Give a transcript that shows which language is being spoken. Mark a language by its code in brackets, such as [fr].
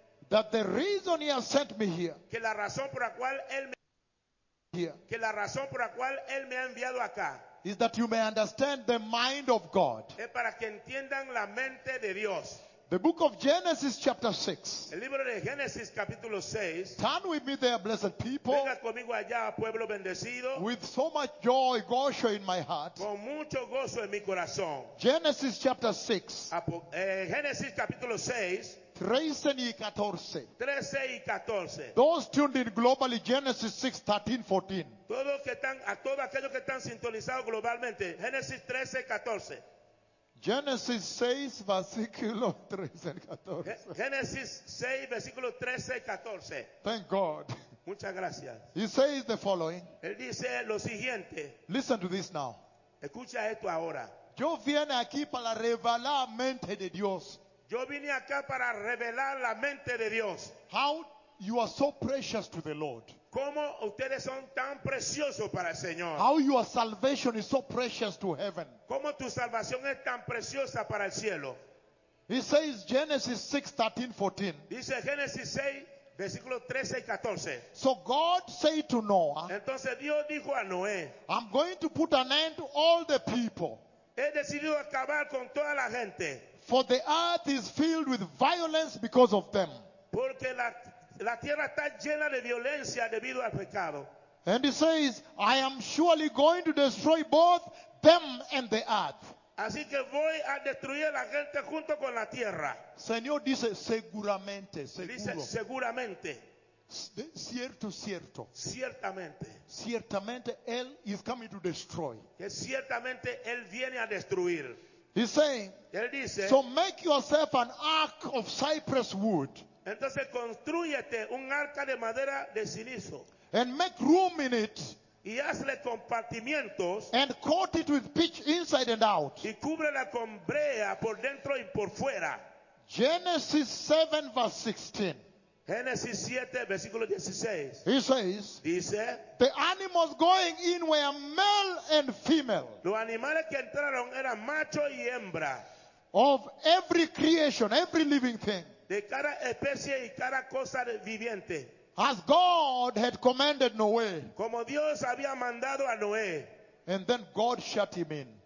[en] That the reason he has sent me here. [es] Que la razón por la cual él me. [en] Here. [es] Que la razón por la cual él me ha enviado acá. [en] Is that you may understand the mind of God. [es] Es para que entiendan la mente de Dios. [en] The book of Genesis chapter 6. [es] El libro de Génesis capítulo 6. [en] Turn with me there, blessed people. [es] Venga conmigo allá, pueblo bendecido. [en] With so much joy, gozo in my heart. [es] Con mucho gozo en mi corazón. [en] Genesis chapter 6. [es] Génesis capítulo 6. 13 y 14. 13 y 14. [en] Those tuned in globally, Genesis 6, 13, 14. [es] Todos aquellos que están sintonizados globalmente, Génesis 13, 14. Génesis 6, versículo 13, 14. Génesis 6, versículo 13, 14. [en] Thank God. [es] Muchas gracias. [en] He says the following. [es] Él dice lo siguiente. [en] Listen to this now. [es] Escucha esto ahora. Yo vine aquí para revelar la mente de Dios. Yo vine acá para revelar la mente de Dios. [en] How you are so precious to the Lord. [es] Cómo ustedes son tan preciosos para el Señor. [en] How your salvation is so precious to heaven. [es] Cómo tu salvación es tan preciosa para el cielo. [en] He says Genesis 6, 13, 14. [es] Dice Génesis 6, versículo 13 y 14. [en] So God said to Noah. [es] Entonces Dios dijo a Noé. [en] I'm going to put an end to all the people. [es] He decidido acabar con toda la gente. [en] For the earth is filled with violence because of them. [es] Porque la tierra está llena de violencia debido al pecado. [en] And he says, I am surely going to destroy both them and the earth. [es] Así que voy a destruir a la gente junto con la tierra. Señor dice, seguramente, seguro. Dice, seguramente. Cierto, cierto. Ciertamente. Ciertamente, él [en] is coming to destroy. [es] Que ciertamente, él viene a destruir. [en] He's saying, [es] él dice, [en] so make yourself an ark of cypress wood. [es] Entonces constrúyete un arca de madera de cilicio. [en] And make room in it. [es] Y hazle compartimientos. [en] And coat it with pitch inside and out. [es] Y cúbrela con brea por dentro y por fuera. [en] Genesis 7 verse 16. [es] Génesis 7 versículo 16. [en] He says, [es] dice, [en] the animals going in were male and female. [es] Los animales que entraron eran macho y hembra. [en] of every creation, every living thing. [es] De cada especie y cada cosa viviente. [en] As God had commanded Noé. [es] Como Dios había mandado a Noé. [en] And then God shut him in.